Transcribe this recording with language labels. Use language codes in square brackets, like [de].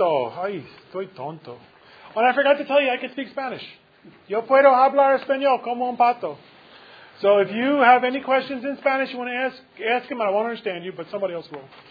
[en] Oh, and I forgot to tell you, I can speak Spanish. [es] Yo puedo hablar español como un pato. [en] So if you have any questions in Spanish you want to ask them, I won't understand you, but somebody else will.